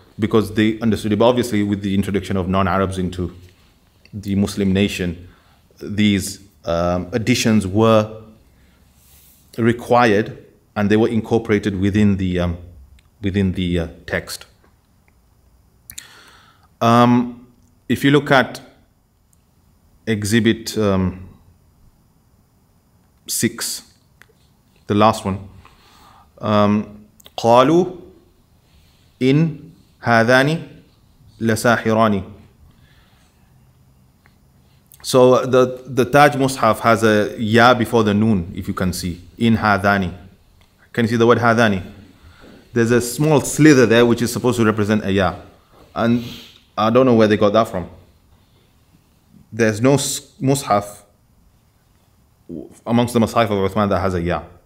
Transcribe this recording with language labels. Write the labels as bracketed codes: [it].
[en] Because they understood it. But obviously, with the introduction of non-Arabs into the Muslim nation, these additions were required and they were incorporated within the text. If you look at Exhibit 6, the last one. [ar] قالوا إن هذاني لساحراني. [en] So the Taj Mus'haf has a ya before the noon, if you can see. In هذاني. Can you see the word هذاني? There's a small slither there which is supposed to represent a ya. And I don't know where they got that from. There's no Mus'haf amongst the Maṣāḥif of Uthman that has a ya.